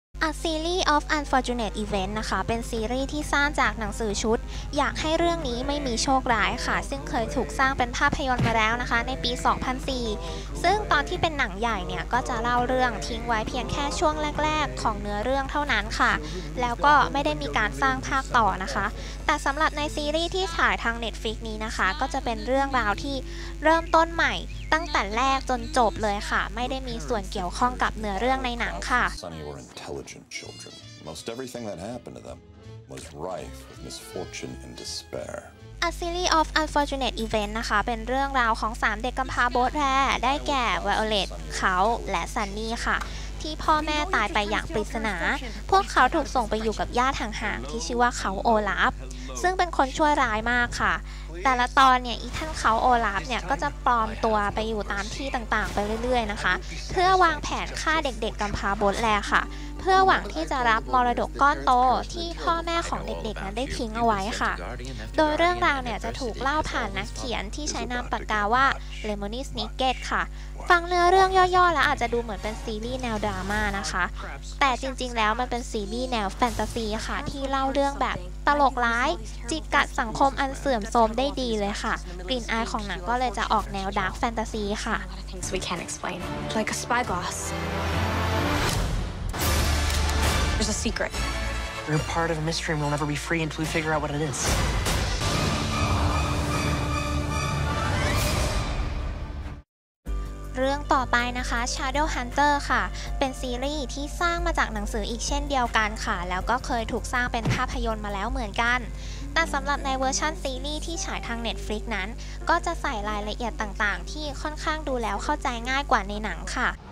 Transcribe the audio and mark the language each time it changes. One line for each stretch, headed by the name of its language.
Thai: A Series of Unfortunate Events นะคะเป็นซีรีส์ที่สร้างจากหนังสือชุดอยากให้เรื่องนี้ไม่มีโชคร้ายค่ะซึ่งเคยถูกสร้างเป็นภาพยนตร์มาแล้วนะคะในปี2004ซึ่งตอนที่เป็นหนังใหญ่เนี่ยก็จะเล่าเรื่องทิ้งไว้เพียงแค่ช่วงแรกๆของเนื้อเรื่องเท่านั้นค่ะแล้วก็ไม่ได้มีการสร้างภาคต่อนะคะแต่สำหรับในซีรีส์ที่ฉายทาง Netflix นี้นะคะก็จะเป็นเรื่องราวที่เริ่มต้นใหม่ตั้งแต่แรกจนจบเลยค่ะไม่ได้มีส่วนเกี่ยวข้องกับเนื้อเรื่องในหนังค่ะ
English: Children. Most everything that happened to them was rife with misfortune and despair.
Thai: A series of unfortunate events นะคะเป็นเรื่องราวของ3เด็กกำพร้าโบ๊ทแร่ได้แก่ Violet เขาและ Sunny ค่ะที่พ่อแม่ตายไปอย่างปริศนาพวกเขาถูกส่งไปอยู่กับญาติห่างๆที่ชื่อว่าเขาโอลาฟซึ่งเป็นคนชั่วร้ายมากค่ะแต่ละตอนเนี่ยอีท่านเขาโอลาฟเนี่ยก็จะปลอมตัวไปอยู่ตามที่ต่างๆไปเรื่อยๆนะคะเพื่อวางแผนฆ่าเด็กๆกำพร้าโบ๊ทแร่ค่ะเพื่อหวังที่จะรับมรดกก้อนโตที่พ่อแม่ของเด็กๆนั้นได้ทิ้งเอาไว้ค่ะ โดยเรื่องราวเนี่ยจะถูกเล่าผ่านนักเขียนที่ใช้นามปากกาว่า Lemony Snicket ค่ะฟังเนื้อเรื่องย่อๆแล้วอาจจะดูเหมือนเป็นซีรีส์แนวดราม่านะคะแต่จริงๆแล้วมันเป็นซีรีส์แนวแฟนตาซีค่ะที่เล่าเรื่องแบบตลกร้ายจิกกัดสังคมอันเสื่อมโทรมได้ดีเลยค่ะกลิ่นอายของหนังก็เลยจะออกแนวดาร์กแฟนตาซีค่ะ
English: We can't explain like a spy glassThere's a secret. We're part of a mystery and we'll never be free until we figure out what it is.
Thai: เรื่องต่อไปนะคะ Shadow Hunter ค่ะเป็นซีรีส์ที่สร้างมาจากหนังสืออีกเช่นเดียวกันค่ะแล้วก็เคยถูกสร้างเป็นภาพยนตร์มาแล้วเหมือนกันแต่สำหรับในเวอร์ชันซีรีส์ที่ฉายทาง Netflix นั้นก็จะใส่รายละเอียดต่างๆที่ค่อนข้างดูแล้วเข้าใจง่ายกว่าในหนังค่ะ